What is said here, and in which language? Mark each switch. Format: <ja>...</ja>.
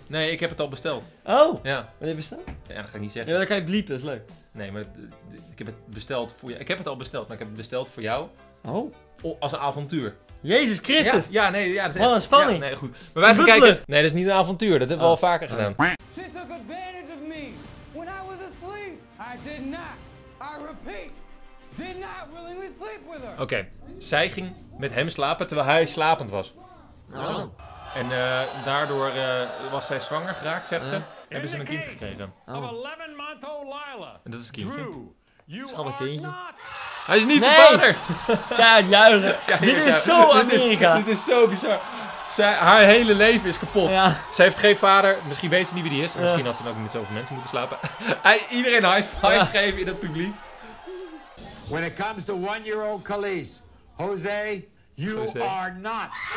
<nl>Nee, ik heb het al besteld. Oh, ja. Wat heb je besteld? Ja, dat ga ik niet zeggen. Ja, dan kan je bliepen, dat is leuk. Nee, maar ik heb het besteld voor jou. Ik heb het al besteld, maar ik heb het besteld voor jou. Oh. Als een avontuur. Jezus Christus! Ja, dat is echt... Wat een spanning! Ja, nee, goed. Maar wij gaan kijken... Nee, dat is niet een avontuur. Dat hebben we al vaker gedaan.</nl> <en>She took advantage of me when I was asleep. I did not, I repeat, did not willingly sleep with her.</en> <nl>Oké. Zij ging met hem slapen terwijl hij slapend was. Oh. En daardoor was zij zwanger geraakt, zegt ze. Hebben ze een kind gekregen.</nl> <en>Of 11-month-old</en> <nl>Lila. En dat is kindje. Drew. Schattig kindje. Hij is niet de vader! Kijk, juichen. Dit is zo Amerika. Dit is zo bizar. Haar hele leven is kapot. Ja. Ze heeft geen vader. Misschien weet ze niet wie die is. Misschien had ze dan ook met zoveel mensen moeten slapen. Iedereen high five geven in het publiek.</nl> <en>When it comes to 1-year-old Calise, Jose, you are not.</en>